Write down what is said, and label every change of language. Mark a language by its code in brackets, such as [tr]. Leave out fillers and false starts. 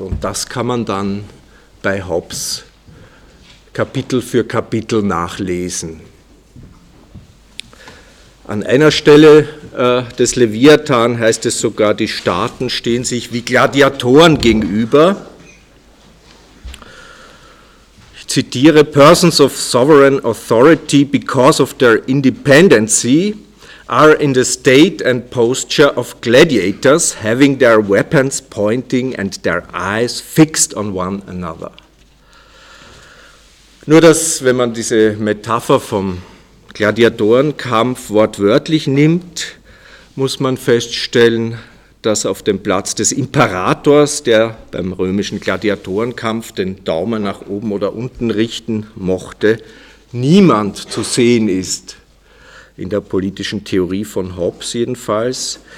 [de] Und das kann man dann bei Hobbes Kapitel für Kapitel nachlesen. An einer Stelle des Leviathan heißt es sogar, die Staaten stehen sich wie Gladiatoren gegenüber. Zitiere: [en] Persons of sovereign authority, because of their independency, are in the state and posture of gladiators, having their weapons pointing and their eyes fixed on one another. [de] Nur dass, wenn man diese Metapher vom Gladiatorenkampf wortwörtlich nimmt, muss man feststellen, dass auf dem Platz des Imperators, der beim römischen Gladiatorenkampf den Daumen nach oben oder unten richten mochte, niemand zu sehen ist, in der politischen Theorie von Hobbes jedenfalls.